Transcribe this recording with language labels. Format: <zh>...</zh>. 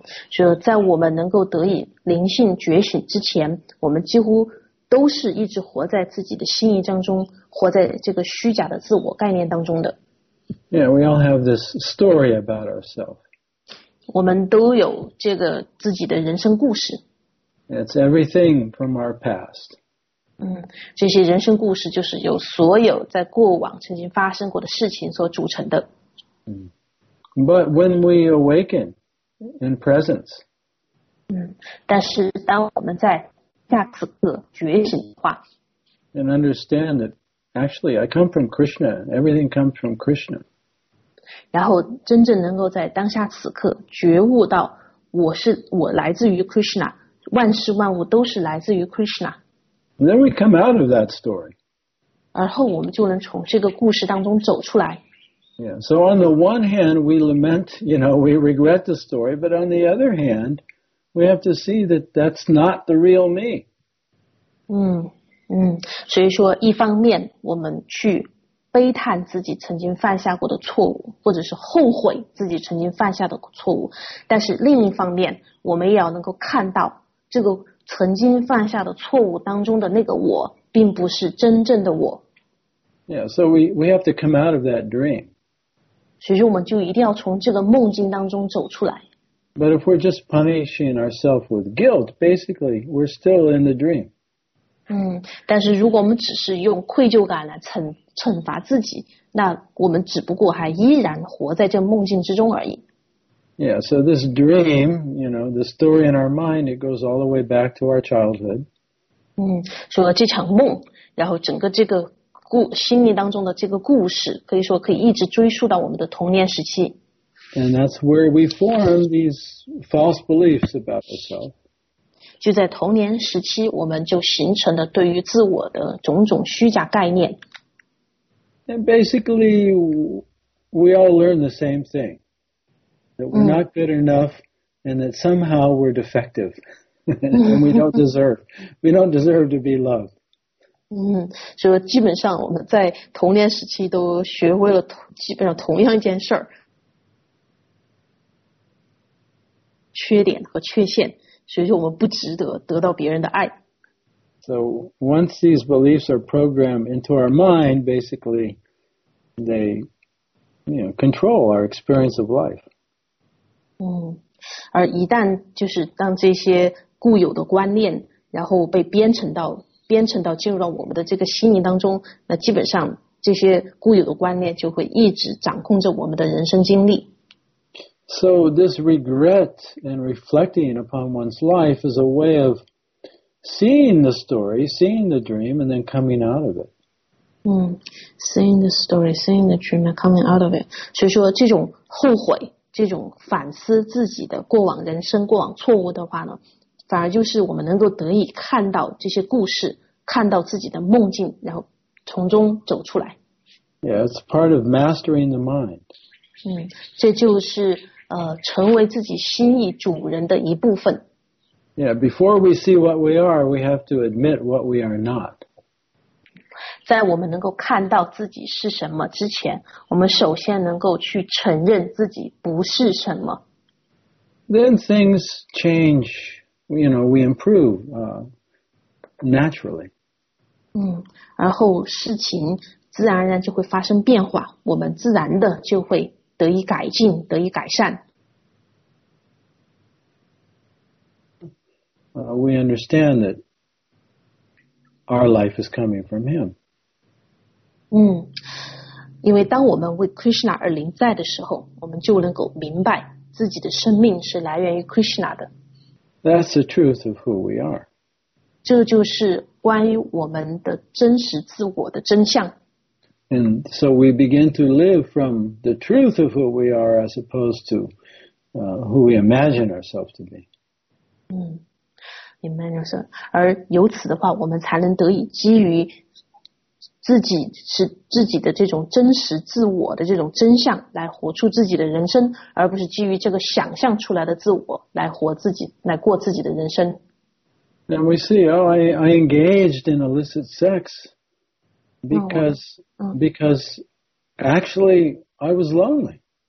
<zh>所以在我们能够得以灵性觉醒之前，我们几乎都是一直活在自己的心意当中，活在这个虚假的自我概念当中的。</zh> <en>Yeah, we all have this story about ourselves.</en> <zh>我们都有这个自己的人生故事。</zh> <en>It's everything from our past.</en> <zh>这些人生故事就是由所有在过往曾经发生过的事情所组成的。</zh> <en>But when we awaken in presence,</en> <zh>但是当我们在下此刻觉醒的话</zh> <en>and understand that actually I come from Krishna, everything comes from Krishna.</en> <zh>然后真正能够在当下此刻觉悟到我来自于 Krishna, 万事万物都是来自于 Krishna.</zh> <en>And then we come out of that story.</en> <zh>而后我们就能从这个故事当中走出来。</zh> <en>Yeah, so on the one hand, we lament, you know, we regret the story, but on the other hand, we have to see that that's not the real me.</en> <zh>所以说一方面我们去悲叹自己曾经犯下过的错误，或者是后悔自己曾经犯下的错误，但是另一方面，我们也要能够看到这个曾经犯下的错误当中的那个我，并不是真正的我。</zh> <en>Yeah, so we have to come out of that dream.</en> <zh>所以我们就一定要从这个梦境当中走出来。</zh> <en>But if we're just punishing ourselves with guilt, basically, we're still in the dream.</en> <zh>但是如果我们只是用愧疚感来惩罚自己，那我们只不过还依然活在这梦境之中而已。</zh> <en>Yeah, so this dream, you know, the story in our mind, it goes all the way back to our childhood.</en> <zh>说了这场梦，然后整个这个心里当中的这个故事，可以说可以一直追溯到我们的童年时期。</zh> <en>And that's where we form these false beliefs about ourselves.</en> <zh>就在童年时期，我们就形成了对于自我的种种虚假概念。</zh> <en>And basically, we all learn the same thing. That we're not good enough, and that somehow we're defective. And we don't deserve to be loved.</en> <zh>所以基本上我们在童年时期都学会了基本上同样一件事儿。缺点和缺陷，所以我们不值得得到别人的爱。</zh> <en>So once these beliefs are programmed into our mind, basically, they, you know, control our experience of life.</en> <zh>而一旦就是当这些固有的观念，然后被编程到进入到我们的这个心灵当中，那基本上这些固有的观念就会一直掌控着我们的人生经历。</zh> <en>So this regret and reflecting upon one's life is a way of seeing the story, seeing the dream, and then coming out of it. Seeing the story, seeing the dream, and coming out of it.</en> <zh>所以说这种后悔，这种反思自己的过往人生，过往错误的话呢，反而就是我们能够得以看到这些故事，看到自己的梦境，然后从中走出来。</zh> <en>Yeah, it's part of mastering the mind.</en> <zh>这就是成为自己心意主人的一部分。</zh> <en>Yeah, before we see what we are, we have to admit what we are not.</en> <zh>在我们能够看到自己是什么之前，我们首先能够去承认自己不是什么。</zh> <en>Then things change, you know, we improve, naturally.</en> <zh>然后事情自然而然就会发生变化，我们自然的就会得以改进，得以改善。</zh> <en>We understand that our life is coming from him.</en> <zh>因为当我们为 Krishna 而临在的时候，我们就能够明白自己的生命是来源于 Krishna 的。</zh> <en>That's the truth of who we are.</en> <zh>这就是关于我们的真实自我的真相。</zh> <en>And so we begin to live from the truth of who we are as opposed to who we imagine ourselves to be. Imagination.</en> <zh>而由此的话，我们才能得以基于自己是自己的这种真实自我的这种真相来活出自己的人生，而不是基于这个想象出来的自我来活自己，来过自己的人生。</zh> <en>And we see, I engaged in illicit sex because actually I was lonely.</en>